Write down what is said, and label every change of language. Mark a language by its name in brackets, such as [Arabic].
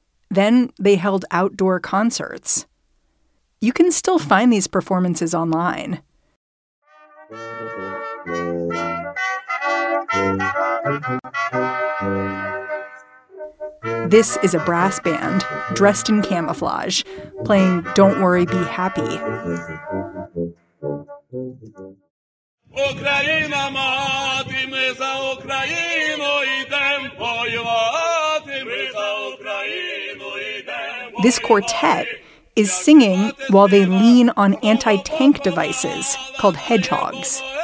[English] Then they held outdoor concerts. You can still find these performances online. This is a brass band dressed in camouflage playing Don't Worry, Be Happy. [Ukrainian] Україна, мати, ми за Україну йдем воювати, ми за Україну йдем. [English] This quartet is singing while they lean on anti-tank devices called hedgehogs.